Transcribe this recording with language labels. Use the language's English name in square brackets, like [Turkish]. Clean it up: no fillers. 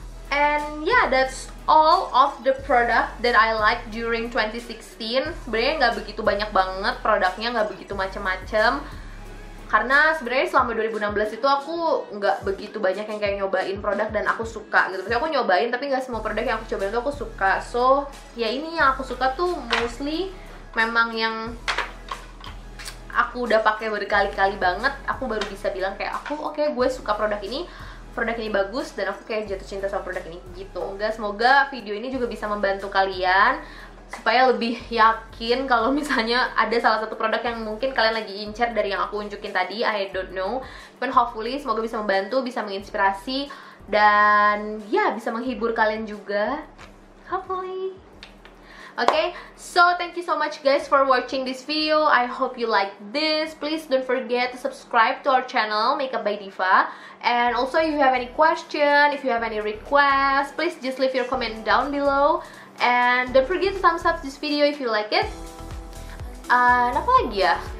[English] And yeah, that's all of the product that I like during 2016. [Indonesian] Sebenarnya nggak begitu banyak banget produknya, nggak begitu macem-macem. Karena sebenarnya selama 2016 itu aku nggak begitu banyak yang kayak nyobain produk dan aku suka gitu. Maksudnya aku nyobain tapi nggak semua produk yang aku cobain itu aku suka. So ya ini yang aku suka tuh mostly memang yang aku udah pakai berkali-kali banget. Aku baru bisa bilang kayak aku oke, gue suka produk ini. Produk ini bagus dan aku kayak jatuh cinta sama produk ini gitu. Semoga video ini juga bisa membantu kalian supaya lebih yakin kalau misalnya ada salah satu produk yang mungkin kalian lagi incer dari yang aku unjukin tadi, [English] I don't know. [Indonesian] But hopefully semoga bisa membantu, bisa menginspirasi dan ya bisa menghibur kalian juga. [English] Hopefully. Okay, so thank you so much guys for watching this video. I hope you like this. Please don't forget to subscribe to our channel Makeupbydifa. And also if you have any question, if you have any request, please just leave your comment down below. And don't forget to thumbs up this video if you like it. [Indonesian] Apa lagi ya?